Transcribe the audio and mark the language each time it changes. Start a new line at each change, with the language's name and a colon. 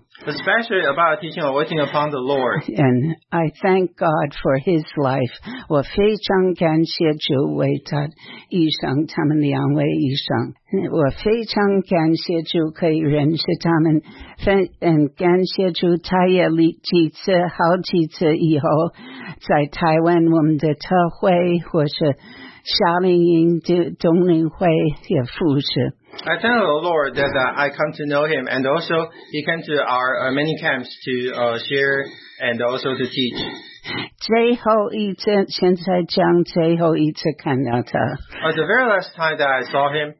English: Especially about teaching or waiting upon the Lord. And I thank God for his life.
Chinese: 我非常感谢主为他一生他们两位一生，我非常感谢主可以认识他们，感谢主他也几次好几次以后在台湾我们的特会或是夏令营冬令会也服侍。
English: I thank the Lord that I come to know him, and also he came to our many camps to share and also to teach.
Chinese: 最后一次看到他,
English: the very last time that I saw him